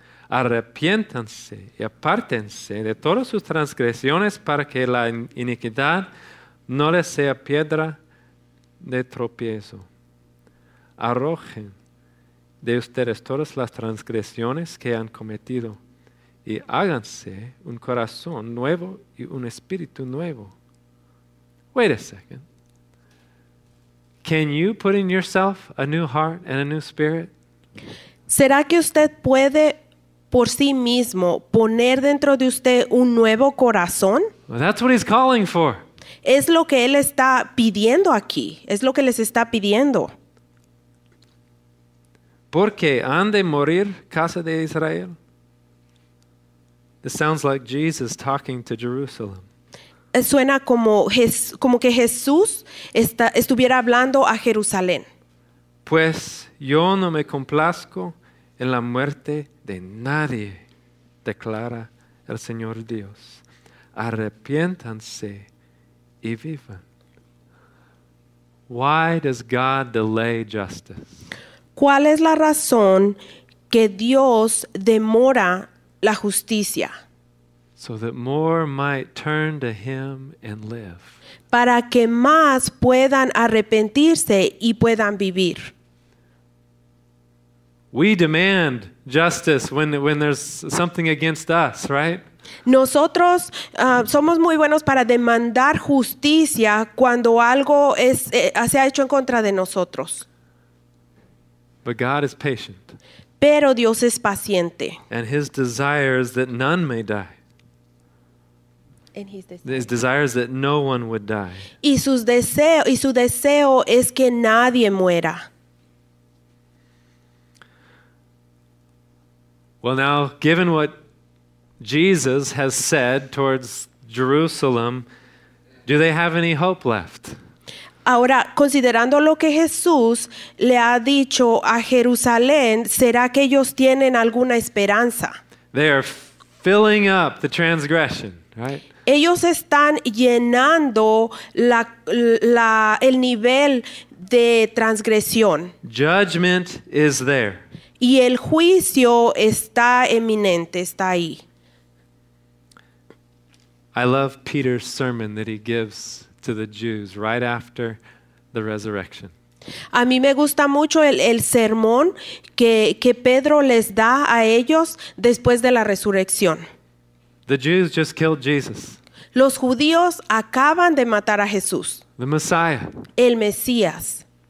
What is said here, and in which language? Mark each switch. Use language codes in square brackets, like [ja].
[es] Arrepiéntanse y apártense de todas sus transgresiones para que la iniquidad no les sea piedra de tropiezo. Arrojen de ustedes todas las transgresiones que han cometido y háganse un corazón nuevo y un espíritu nuevo. [en] Wait a second. Can you put in yourself a new heart and a new spirit? [es] ¿Será que usted puede por sí mismo poner dentro de usted un nuevo corazón? [en] Well, that's what he's calling for. [es] Es lo que él está pidiendo aquí. Es lo que les está pidiendo. ¿Por qué han de morir, casa de Israel? [en] This sounds like Jesus talking to Jerusalem. [es] Suena como que Jesús estuviera hablando a Jerusalén. Pues yo no me complazco en la muerte de nadie, declara el Señor Dios. Arrepiéntanse y vivan. [en] Why does God delay justice? [es] ¿Cuál es la razón que Dios demora la justicia? [en] So that more might turn to Him and live. [es] Para que más puedan arrepentirse y puedan vivir. [en] We demand justice when there's something against us, right? [es] Nosotros somos muy buenos para demandar justicia cuando algo se ha hecho en contra de nosotros. [en] But God is patient. [es] Pero Dios es paciente. [en] And His desire is that none may die. His desire is that no one would die. [es] Y su deseo es que nadie muera. [en] Well, now, given what Jesus has said towards Jerusalem, do they have any hope left? [es] Ahora, considerando lo que Jesús le ha dicho a Jerusalén, ¿será que ellos tienen alguna esperanza? [en] They are filling up the transgression, right? [es] Ellos están llenando el nivel de transgresión. [en] Judgment is there. [es] Y el juicio está eminente, está ahí. [en] I love Peter's sermon that he gives to the Jews right after the resurrection. [es] A mí me gusta mucho el sermón que Pedro les da a ellos después de la resurrección. [en] The Jews just killed Jesus. [es] Los judíos acaban de matar a Jesús. [en] The Messiah. [es] El Mesías.